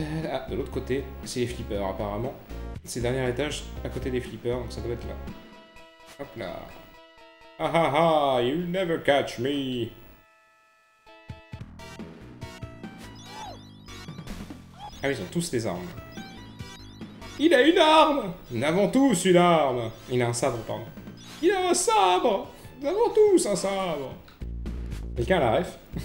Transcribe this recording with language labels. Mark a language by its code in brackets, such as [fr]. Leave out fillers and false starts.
[fr] Ah, de l'autre côté, c'est les flippers, apparemment. C'est le dernier étage à côté des flippers, donc ça doit être là. Hop là. [en] Ah ah ah, you'll never catch me. [fr] Ah, ils ont tous des armes. Il a une arme! Nous avons tous une arme! Il a un sabre, pardon. Il a un sabre! Nous avons tous un sabre! Quelqu'un a la ref?